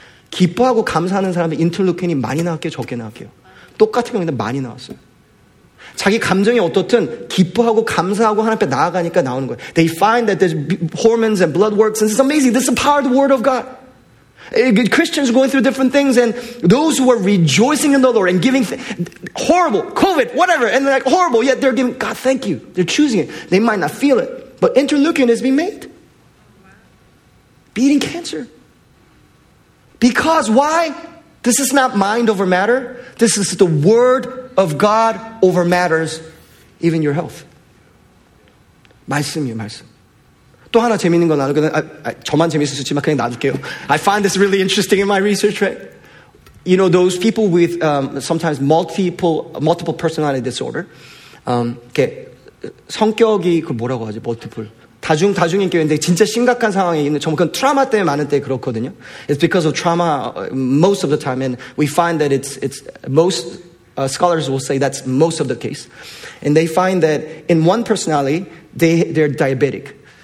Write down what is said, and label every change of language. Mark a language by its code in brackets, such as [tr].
[ko] 기뻐하고 감사하는 사람의 인터루킨이 많이 나왔게 적게 나왔게요. 똑같은 경우인데 많이 나왔어요. 자기 감정이 어떻든 기뻐하고 감사하고 하나님 앞에 나아가니까 나오는 거예요. [en] They find that there's hormones and blood works and it's amazing. This is the power of the word of God. Christians going through different things and those who are rejoicing in the Lord and giving horrible, COVID, whatever, and they're like, horrible, yet they're giving, God, thank you. They're choosing it. They might not feel it, but interleukin has been made. Beating cancer. Because why? This is not mind over matter. This is the word of God over matters, even your health. [ko] 말씀이에요, 말씀. 또 하나 재밌는 건 나도 그냥 저만 재밌을 수 있지만 그냥 놔둘게요. [en] I find this really interesting in my research, right? You know those people with sometimes multiple personality disorder. [ko] 이렇게 성격이 그 뭐라고 하지? Multiple 다중인 경우인데 진짜 심각한 상황에 있는 전부 그 트라우마 때문에 많은 때 그렇거든요. [en] It's because of trauma most of the time, and we find that it's most scholars will say that's most of the case, and they find that in one personality they're diabetic.